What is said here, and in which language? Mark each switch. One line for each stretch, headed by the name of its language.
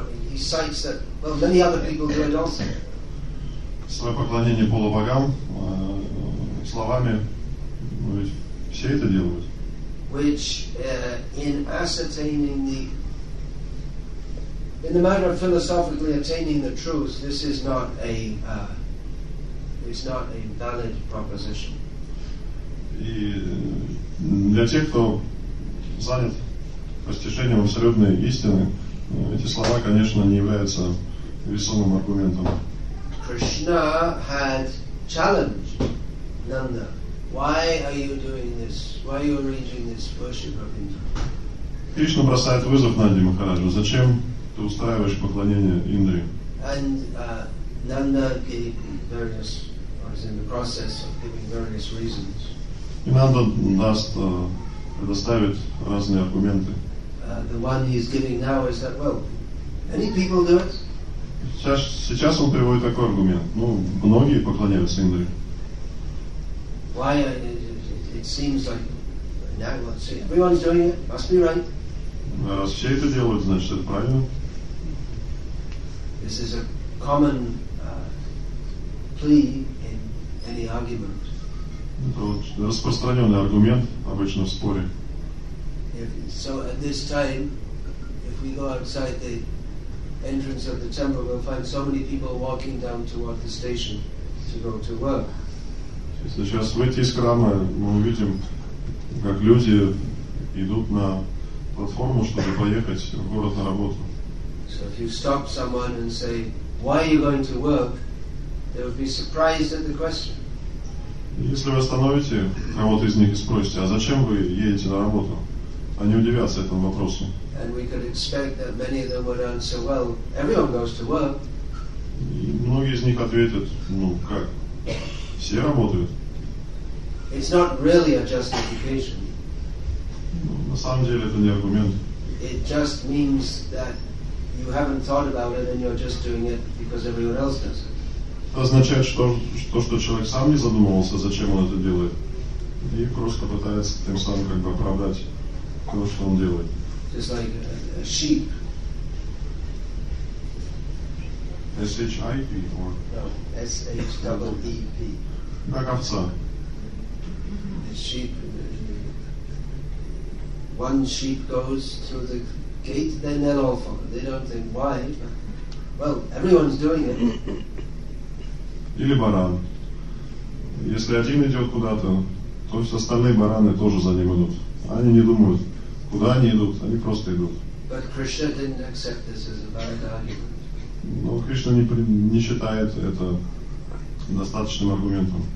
English: He cites that, well, many other people do it also.
Russian: Свое поклонение полубогам словами, ну ведь все это делают.
English: Which in ascertaining the in the matter of philosophically attaining the truth, this is not a it's not a valid proposition.
Russian: И для тех, кто занят постижением абсолютной истины, эти слова, конечно, не являются весомым аргументом.
English: Krishna had challenged Nanda. Why are you doing this? Why are you arranging this worship of Indra?
Russian: Кришна бросает вызов Нанде Махараджу. Зачем ты устраиваешь поклонение Индре?
English: And Nanda gave various, was in the process of giving various reasons.
Russian: И Нанда даст, предоставит разные аргументы.
English: The one he is giving now is that, well, many people do it.
Russian: Сейчас он приводит такой аргумент. Ну, многие поклоняются Индре.
English: Why it seems like now let's see, everyone's doing it, must be right.
Russian: Раз все это делают, значит, это правильно.
English: This is a common plea in any argument.
Russian: Это вот распространенный аргумент обычно в споре.
English: If, so at this time, if we go outside the entrance of the temple, we'll find so many people walking down toward the station to go to work.
Russian: Если сейчас выйти из храма, мы увидим, как люди идут на платформу, чтобы поехать в город на работу.
English: So if you stop someone and say, why are you going to work, they would be surprised at the question.
Russian: Если вы остановите кого-то из них и спросите, а зачем вы едете на работу, они удивятся этому вопросу.
English: And we could expect that many of them would answer, well, everyone goes to work.
Russian: И многие из них ответят, ну как? Все работают.
English: It's not really a justification.
Russian: На самом деле это не аргумент.
English: It just means that you haven't thought about it and you're just doing it because everyone else does it.
Russian: Это означает, что человек сам не задумывался, зачем он это делает, и просто пытается тем самым как бы оправдать то, что он делает.
English: Just like a sheep. S-H-I-P or? No, S-H-E-E-P.
Russian: Как овца.
English: A sheep. One sheep goes through the gate, then they'll all follow. They don't think why, but, well, everyone's doing it.
Russian: Или баран. Если один идет куда-то, то все остальные бараны тоже за ним идут. Они не думают, куда они идут, они просто идут.
English: But Krishna didn't accept this as a valid argument.
Russian: Но Кришна не считает это достаточным аргументом.